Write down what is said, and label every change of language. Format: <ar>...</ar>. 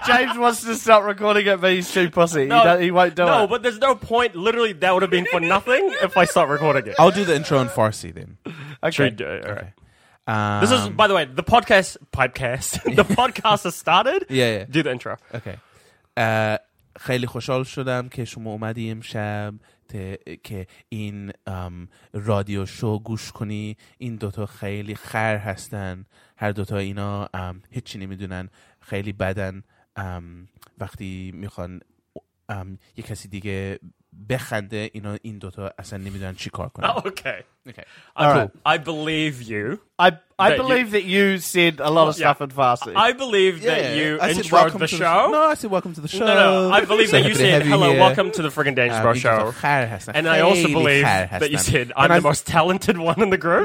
<en>James wants to stop recording it, but he's too pussy. No, he won't do it. No, but there's no point. Literally, that would have been for nothing if I stopped recording it. I'll do the intro in Farsi then. Okay. True. All right. Okay. This is, by the way, the podcast. The podcast has started. Yeah. Do the intro. Okay.</en> <fa>خیلی خوشحال شدم که شما اومدی امشب که این رادیو شو گوش کنی. این دوتا خیلی خر هستن. هر دوتا اینا هیچی نمیدونن، خیلی بدن. وقتی میخوان یه کسی دیگه بخنده، اینا این دوتا اصلا نمیدونن چی کار کنن.</fa> <en>Okay. I believe you. I believe that you said a lot of stuff in Farsi. I believe that you introed the show. I said welcome to the show. No. I believe that you said hello, welcome to the Frickin' Dangerous Bro Show. And I also believe that you said I'm the most talented one in the group.</en>